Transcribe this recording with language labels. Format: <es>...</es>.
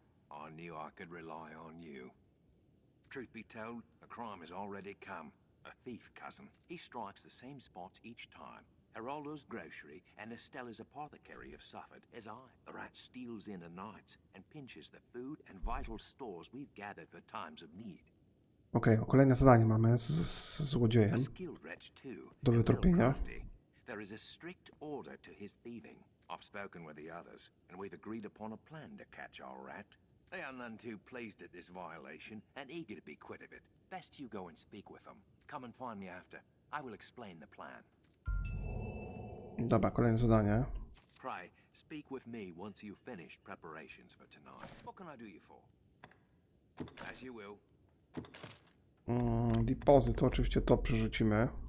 <en>I knew I could rely on you. Truth be told, a crime has already come. A thief, cousin. He strikes the same spots each time. Geraldo's grocery and Estella's apothecary have suffered, as I. The rat steals in at night and pinches the food and vital stores we've gathered for times of need.</en> <pl>Okay, kolejne zadanie mamy złodziejem.</pl> <en>A skilled wretch, too.</en> <pl>Do wytropienia.</pl> <en>There is a strict order to his thieving. I've spoken with the others, and we've agreed upon a plan to catch our rat. They are none too pleased at this violation and eager to be quit of it. Best you go and speak with them. Come and find me after. I will explain the plan.</en> <pl>Dobra, kolejne zadanie.</pl> <en>Pray, speak with me once you've finished preparations for tonight. What can I do you for? As you will.</en> <pl>Depozyt, oczywiście to przerzucimy.</pl>